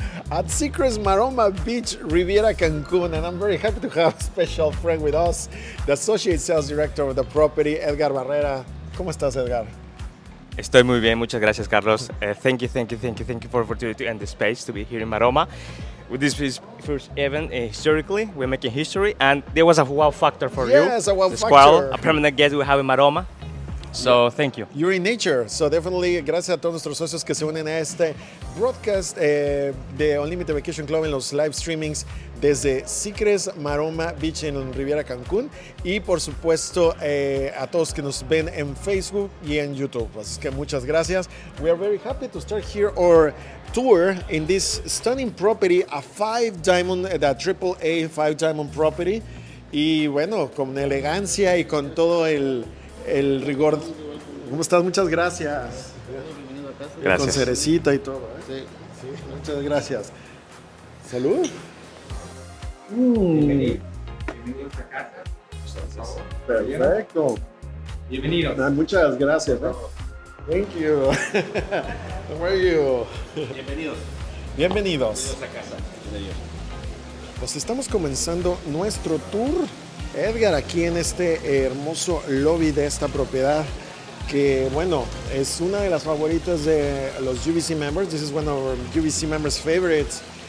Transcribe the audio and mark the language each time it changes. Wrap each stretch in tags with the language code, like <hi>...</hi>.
<en>At Secrets Maroma Beach Riviera Cancun, and I'm very happy to have a special friend with us, the Associate Sales Director of the property, Edgar Barrera.</en> <es>¿Cómo estás, Edgar? Estoy muy bien, muchas gracias, Carlos.</es> <en>Thank you for the opportunity and the space to be here in Maroma. This is first event historically, we're making history, and there was a wow factor for yes, you. Yes, a wow factor. Squirrel, a permanent guest we have in Maroma. So, thank you. You're in nature, so definitely,</en> <es>gracias a todos nuestros socios que se unen a este broadcast de Unlimited Vacation Club en los live streamings desde Secrets Maroma Beach en Riviera Cancún y, por supuesto, a todos que nos ven en Facebook y en YouTube. Así que muchas gracias.</es> <en>We are very happy to start here our tour in this stunning property, a AAA five diamond property.</en> <es>Y bueno, con elegancia y con todo el rigor. ¿Cómo estás? Muchas gracias. Bienvenido a casa. Gracias. Con cerecita y todo, ¿eh? Sí. Muchas gracias. Salud. Bienvenidos a casa. Perfecto. Bienvenidos. Muchas gracias.</es> <en>Thank you. How are you?</en> <es>Bienvenidos a casa. Pues estamos comenzando nuestro tour, Edgar, aquí en este hermoso lobby de esta propiedad, que bueno, es una de las favoritas de los UVC members.</es> <en>This is one of our UVC members' favorites.</en>